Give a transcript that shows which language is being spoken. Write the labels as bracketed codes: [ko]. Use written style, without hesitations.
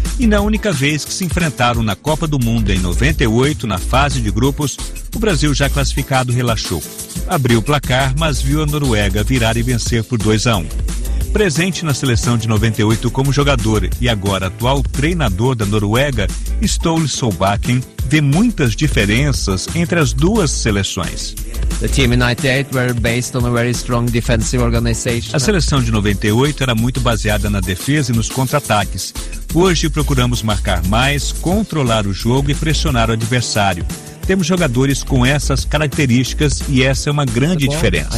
[pt] E na única vez que se enfrentaram na Copa do Mundo, em 98, na fase de grupos, o Brasil já classificado relaxou. Abriu o placar, mas viu a Noruega virar e vencer por 2-1. Presente na seleção de 98 como jogador e agora atual treinador da Noruega, Ståle Solbakken vê muitas diferenças entre as duas seleções. [en] The team in 98 were based on a very strong defensive organization. [pt] A seleção de 98 era muito baseada na defesa e nos contra-ataques. Hoje procuramos marcar mais, controlar o jogo e pressionar o adversário. Temos jogadores com essas características e essa é uma grande diferença.